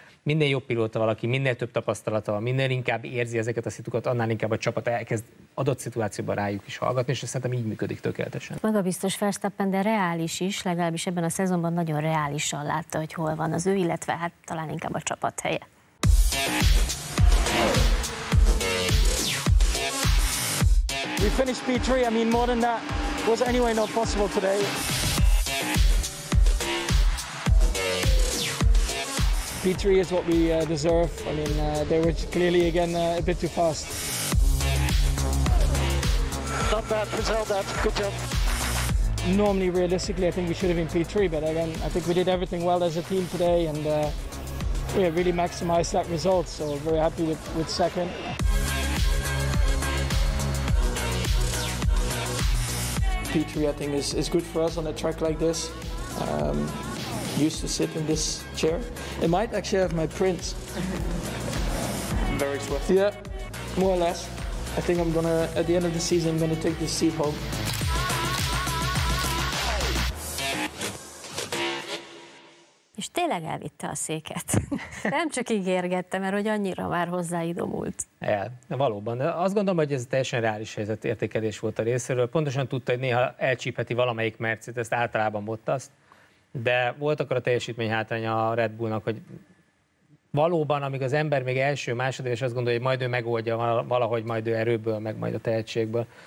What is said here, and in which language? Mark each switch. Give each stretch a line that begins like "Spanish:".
Hungarian: Minél jobb pilóta valaki, minél több tapasztalata van, minél inkább érzi ezeket a szitukat, annál inkább a csapat elkezd adott szituációban rájuk is hallgatni, és szerintem így működik tökéletesen. Magabiztos Verstappen, de reális is, legalábbis ebben a szezonban nagyon reálisan látta, hogy hol van az ő, illetve hát talán inkább a csapat helye.
English: We finished P3, I mean more than that was anyway not possible today. P3 is what we deserve. I mean, they were clearly again a bit too fast. Not bad, let's hold that. Good job. Normally, realistically, I think we should have been P3, but again, I think we did everything well as a team today, and yeah, really maximized that result. So very happy with second. P3, I think, is good for us on a track like this. Used to sit in this chair. It might actually have my prints. Very swift. Yeah, more or less. I think I'm gonna, at the end of the season, I'm gonna take this seat home.
Hungarian: És tényleg elvitte a széket. Nem csak ígérgette, mert hogy annyira már hozzá idomult. Valóban. Azt gondolom, hogy ez teljesen reális helyzet értékelés volt a részéről. Pontosan tudta, hogy néha elcsípheti valamelyik Mercit, ezt általában Bottaszt, de volt akkor a teljesítmény hátránya a Red Bullnak, hogy valóban, amíg az ember még első, második, és azt gondolja, hogy majd ő megoldja valahogy majd ő erőből, meg majd a tehetségből.